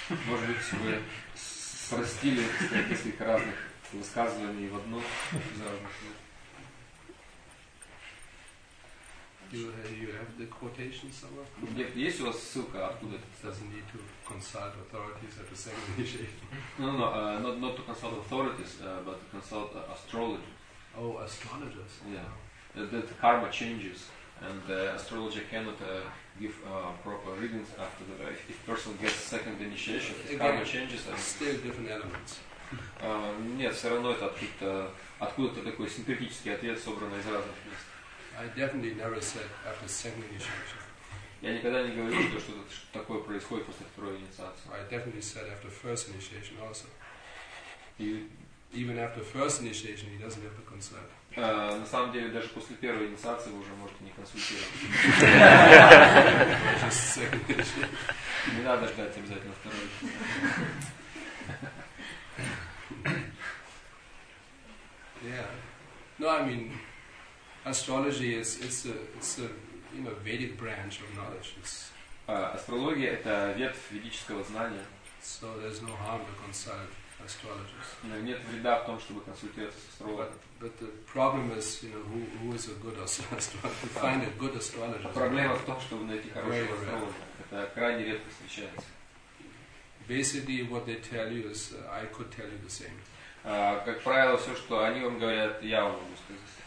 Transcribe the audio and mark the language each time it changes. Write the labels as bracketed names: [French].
[Russian] Может быть, вы спростили несколько разных высказываний в одно заражение. [English] You have the quotation somewhere? [Russian] Где есть у вас ссылка, откуда? [English] Doesn't need to consult authorities at the second initiation. No, not to consult authorities, but to consult astrologers. Oh, astrologers. Yeah, that the karma changes, and the astrologer cannot give proper readings after the if person gets second initiation, karma changes. And still different elements. [Russian] Нет, все равно это откуда-то такой синтетический ответ, собранный из разных мест. [English] I definitely never said after second initiation. [Russian] Я никогда не говорил, что что-то такое происходит после второй инициации. [English] I definitely said after first initiation also. You even after first initiation, he doesn't have to consult. [Russian] На самом деле, даже после первой инициации вы уже можете не консультировать. [English] Just second initiation. [Russian] Не надо ждать обязательно второй. [English] Yeah. No, I mean. Astrology is it's a you know Vedic branch of knowledge. [Russian] Астрология это ветвь ведического знания. [English] So there's no harm to consult astrologers. [Russian] Но нет вреда в том, чтобы консультироваться с астрологом. [English] But the problem is, you know, who is a good astrologer? To find a good astrologer. [Russian] Проблема в том, чтобы найти хорошего астролога. Это крайне редко встречается. [English] Basically, what they tell you is, I could tell you the same. [Russian] Как правило, все, что они вам говорят, я вам могу сказать.